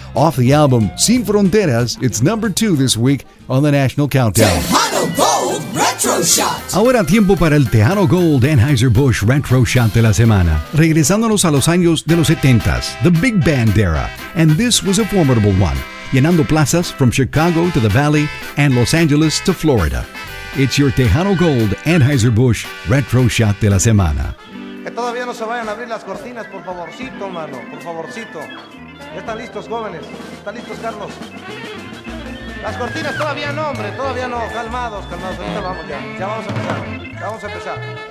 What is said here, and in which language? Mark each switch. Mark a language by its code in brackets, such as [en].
[en] Off the album Sin Fronteras, it's number 2 this week on the National Countdown. Tejano Gold Retro Shot. [es] Ahora tiempo para el Tejano Gold Anheuser-Busch Retro Shot de la semana. Regresándonos a los años de los 70s, [en] the big band era. And this was a formidable one, [es] llenando plazas [en] from Chicago to the Valley and Los Angeles to Florida. It's your Tejano Gold Anheuser-Busch Retro Shot [es] de la semana. Que todavía no se vayan a abrir las cortinas, por favorcito, mano, por favorcito. ¿Están listos, jóvenes? ¿Están listos, Carlos? Las cortinas todavía no, hombre, todavía no. Calmados, calmados, ahorita vamos ya. Ya vamos a empezar, ya vamos a empezar.